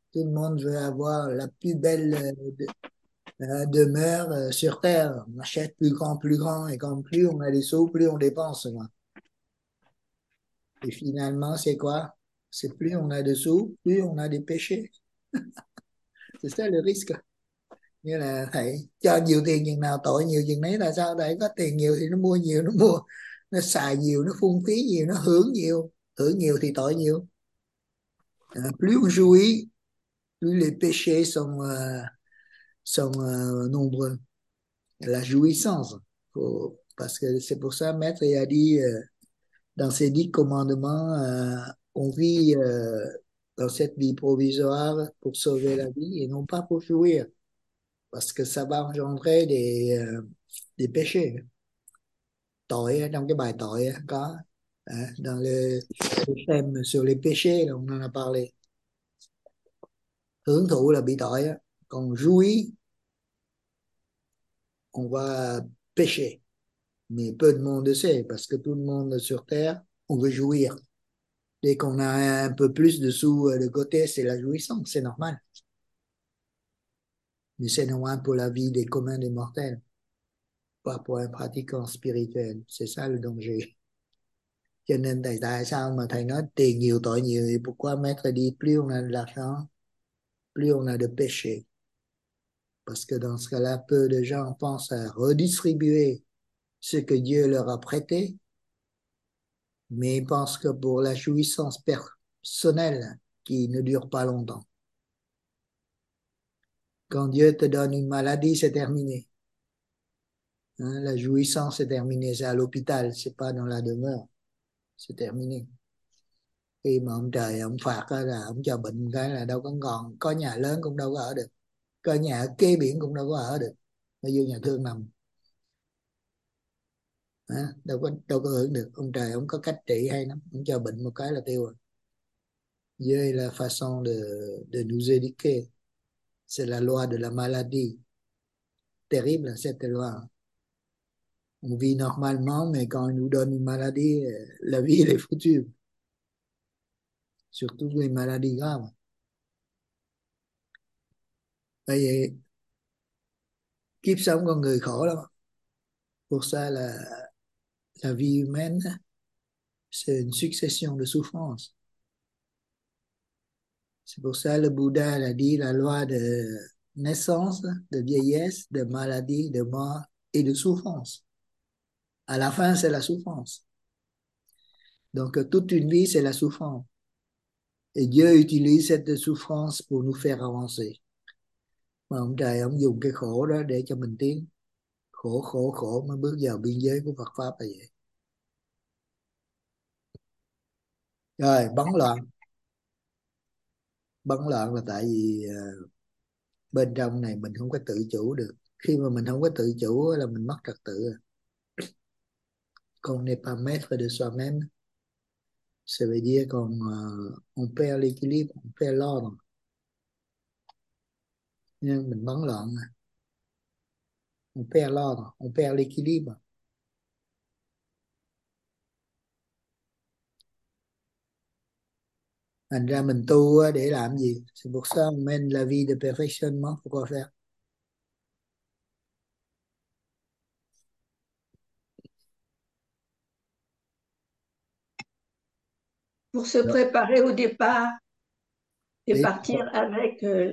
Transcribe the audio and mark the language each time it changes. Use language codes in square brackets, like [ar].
[fr] Tout le monde veut avoir la plus belle demeure sur Terre. On achète plus grand, et quand plus on a des sous, plus on dépense. Moi. Et finalement, c'est quoi? C'est plus on a de sous, plus on a des péchés. C'est ça le risque. [vi] Nghĩa là phải cho nhiều tiền chừng nào tội nhiều chừng đấy, là sao? Tại có tiền nhiều thì nó xài nhiều, nó phung phí nhiều, nó hưởng nhiều thì tội nhiều. [fr] Plus on jouit, plus les péchés sont nombreux. La jouissance. Parce que c'est pour ça, Maître, il a dit, dans ces 10 commandements, on vit dans cette vie provisoire pour sauver la vie et non pas pour jouir, parce que ça va engendrer des péchés. Tội, dans cette [vi] bài tội, [fr] quoi, hein, dans le thème sur les péchés, on en a parlé. [vi] Hưởng thụ là bị tội, còn [fr] jouir, on va pécher. Mais peu de monde le sait, parce que tout le monde sur Terre, on veut jouir. Dès qu'on a un peu plus de sous de côté, c'est la jouissance, c'est normal. Mais c'est normal pour la vie des communs des mortels. pas pour un pratiquant spirituel. C'est ça le danger. [vi] Cho nên tại tại sao mà thầy nói tiền nhiều tội nhiều thì pourquoi mettre đi [fr] plus on a de l'argent, plus on a de péché. Parce que dans ce cas-là, peu de gens pensent à redistribuer ce que Dieu leur a prêté, mais ils pensent que pour la jouissance personnelle qui ne dure pas longtemps. Quand Dieu te donne une maladie, c'est terminé. Hein, la jouissance est terminée, c'est à l'hôpital, c'est pas dans la demeure. C'est terminé. [vi] Khi mà ông trời ông phạt là ông cho bệnh cái là đâu có còn, có nhà lớn cũng đâu có ở được, có nhà ở kế biển cũng đâu có ở được, nó vô nhà thương nằm. Hả? Đâu có hưởng được. Ông trời ông có cách trị hay lắm, ông cho bệnh một cái là tiêu rồi. [fr] Dieu là façon de nous éduquer, c'est la loi de la maladie, terrible cette loi. On vit normalement, mais quand il nous donne une maladie, la vie, elle est foutue. Surtout les maladies graves. Vous voyez, [vi] kiếp sống con người khổ lắm. [fr] Pour ça, la vie humaine, c'est une succession de souffrances. C'est pour ça que le Bouddha a dit la loi de naissance, de vieillesse, de maladie, de mort et de souffrance. À la fin, c'est la souffrance. Donc, toute une vie, c'est la souffrance. Et Dieu utilise cette souffrance pour nous faire avancer. [vi] Mais ông trời, ông dùng cái khổ đó để cho mình tiến. Khổ, khổ, khổ mới bước vào biên giới của Phật Pháp là vậy. Rồi, bấn loạn. Bấn loạn là tại vì bên trong này mình không có tự chủ được. Khi mà mình không có tự chủ là mình mất trật tự. [fr] Qu'on n'est pas maître de soi-même, ça veut dire qu'on perd l'équilibre, on perd l'ordre. [vi] Mình bấn loạn, [fr] on perd l'ordre, on perd l'équilibre. [vi] Thành ra mình tu để làm gì? [fr] C'est pour ça qu'on mène la vie de perfectionnement, pourquoi faire? Pour se préparer au départ et partir avec